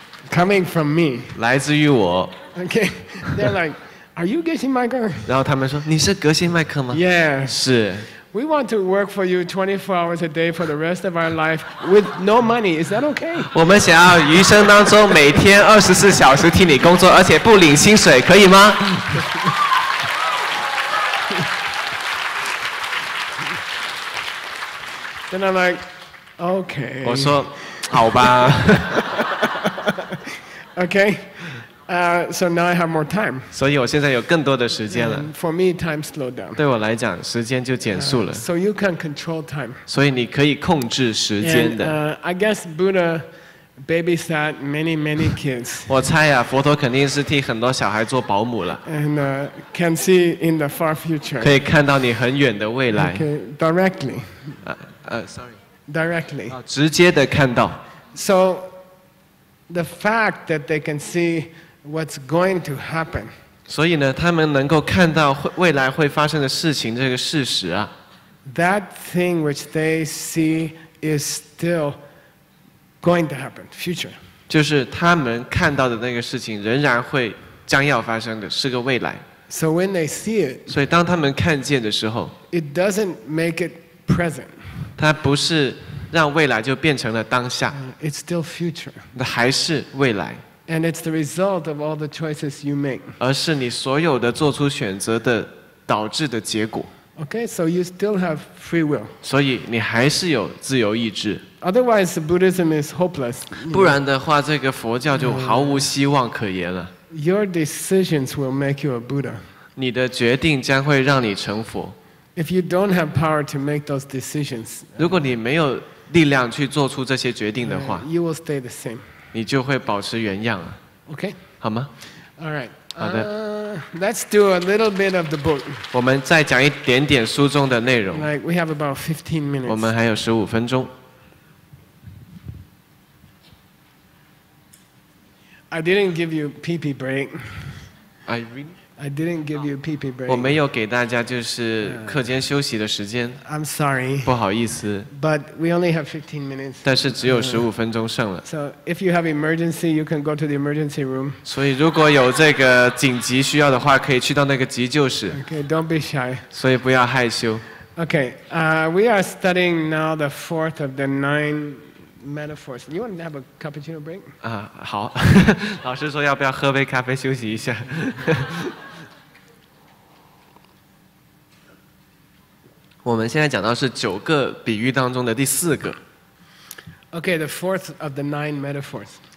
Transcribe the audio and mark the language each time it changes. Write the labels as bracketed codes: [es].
[en] Coming from me. [zh] 来自于我。 [en] Okay, they're like, "Are you Geshe Michael?" [zh] 然后他们说，你是格西麦克吗？ [en] Yeah. [zh] 是。 [en] We want to work for you 24 hours a day for the rest of our life with no money. Is that okay? [zh] 我们想要余生当中每天24小时替你工作，而且不领薪水，可以吗？ [en] Then I'm like, okay. [zh] 我说，好吧。 [en] Okay. So now I have more time. [zh] 所以我现在有更多的时间了。 [en] For me, time slowed down. [zh] 对我来讲，时间就减速了。 [en] So you can control time. [zh] 所以你可以控制时间的。 [en] I guess Buddha babysat many, many kids. [zh] 我猜啊，佛陀肯定是替很多小孩做保姆了。 [en] And can see in the far future. [zh] 可以看到你很远的未来。 [en] Okay, directly. Sorry. Directly. [zh] 直接的看到。 [en] So the fact that they can see. What's going to happen? [zh] 所以呢，他们能够看到未来会发生的事情这个事实啊。 [en] That thing which they see is still going to happen, future. [zh] 就是他们看到的那个事情仍然会将要发生的，是个未来。 [en] So when they see it, [zh] 所以当他们看见的时候 [en] ，it doesn't make it present. [zh] 它不是让未来就变成了当下。 [en] It's still future. [zh] 那还是未来。 [en] And it's the result of all the choices you make. [zh] 而是你所有的做出选择的导致的结果。 [en] Okay, so you still have free will. [zh] 所以你还是有自由意志。 [en] Otherwise, Buddhism is hopeless. [zh] 不然的话，这个佛教就毫无希望可言了。 [en] Your decisions will make you a Buddha. [zh] 你的决定将会让你成佛。 [en] If you don't have power to make those decisions, [zh] 如果你没有力量去做出这些决定的话 [en] you will stay the same. [zh] 你就会保持原样啊。 [en] Okay. [zh] 好吗 [en] ？All right. [zh] 好的。 [en] Let's do a little bit of the book. [zh] 我们再讲一点点书中的内容。 [en] Like we have about 15 minutes. [zh] 我们还有15分钟。 [en] I didn't give you pee pee break. I really. I didn't give you pee pee break. [zh] 我没有给大家就是课间休息的时间。 [en] I'm sorry. [zh] 不好意思。 [en] But we only have 15 minutes. [zh] 但是只有15分钟剩了。 [en] So if you have emergency, you can go to the emergency room. [zh] 所以如果有这个紧急需要的话，可以去到那个急救室。 [en] Okay, don't be shy. [zh] 所以不要害羞。 [en] Okay, we are studying now the fourth of the nine. Metaphors. You want to have a cappuccino break? [zh] 好。老师说要不要喝杯咖啡休息一下。我们现在讲到是九个比喻当中的第四个。 [en] Okay, the fourth of the nine metaphors.